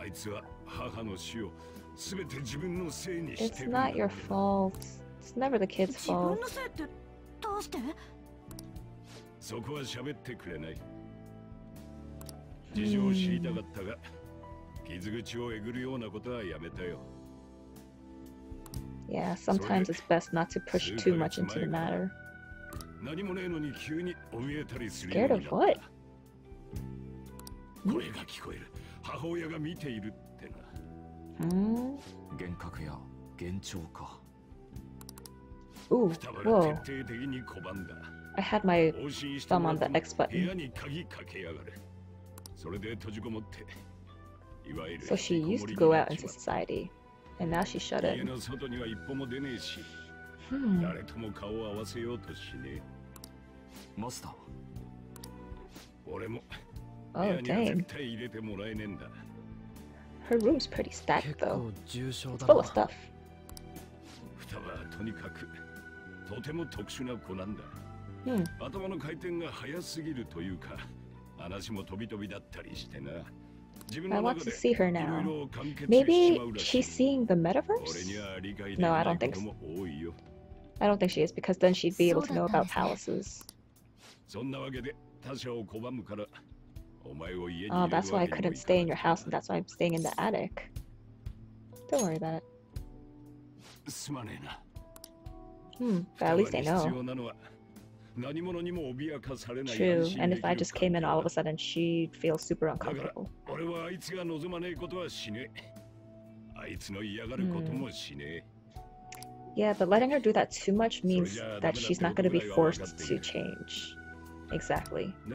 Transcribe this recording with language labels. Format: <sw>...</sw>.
<ja>あいつは母の死をすべて自分のせいにしてるんだ。</ja> <en>It's not your fault. It's never the kid's fault.</en> <ja>自分のせいってどうして？そこは喋ってくれない。事情を知りたかったが、傷口をえぐるようなことはやめたよ。</ja> <en>Yeah, sometimes it's best not to push too much into the matter.</en> <ja>何もねえのに急に怯えたりするようになった。</ja> <en>Scared of</en> <ja>what? 声が聞こえる。母親が見ているってな。幻覚や幻聴か。</ja> <en>Ooh, whoa.</en> <ja>双葉が徹底的に拒んだ。</ja> <en>I had my thumb on the X button.</en> <ja>部屋に鍵かけやがる。それで閉じこもって、いわゆる。</ja> <en>So she used to go out into society, and now she shut in.</en> <ja>家の外には一歩も出ねえし、誰とも顔を合わせようとしねえ。マスター。俺も。</ja> <en>Oh, dang.</en> <ja>絶対入れてもらえねえんだ。</ja> <en>Her room's pretty stacked, though.</en> <ja>結構重症だ。</ja> <en>It's full of stuff.</en> <ja>双葉はとにかく、とても特殊な子なんだ。頭の回転が早すぎるというか、話も飛び飛びだったりしてな。自分の中でいろいろ完結してしまうらしい。</ja> <en>Maybe she's seeing the metaverse? No, I don't think so. I don't think she is, because then she'd be able to know about palaces.</en> <ja>そんなわけで他者を拒むから、お前を家に入れるわけ。</ja> <en>Oh, that's why I couldn't stay in your house, and that's why I'm staying in the attic. Don't worry about it.</en> <ja>すまねえな。</ja> <en>But at least I know.</en> <ja>何者にも脅かされない。</ja> <en>True. And if I just came in all of a sudden, she'd feel super uncomfortable.</en> <ja>だから、俺はあいつが望まねえことはしねえ。あいつの嫌がることもしねえ。</ja> <en>Yeah, but letting her do that too much means that she's not going to be forced to change. Exactly.</en>